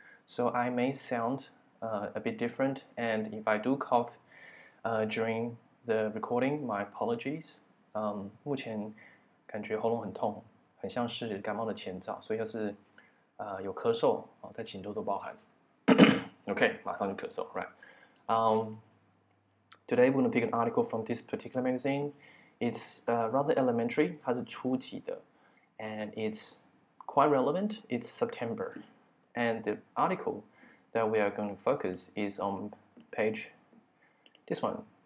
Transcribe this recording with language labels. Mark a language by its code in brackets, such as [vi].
[en] So I may sound a bit different, and if I do cough during the recording, my apologies. [zh] 目前感觉喉咙很痛，很像是感冒的前兆，所以要是有咳嗽，再请多多包涵。 [en] Okay, [zh] 马上就咳嗽 ， [en] right? Today we're going to pick an article from this particular magazine. It's rather elementary, [zh] 它是初级的 [en] and it's quite relevant, it's September. And the article that we are going to focus is on page this one.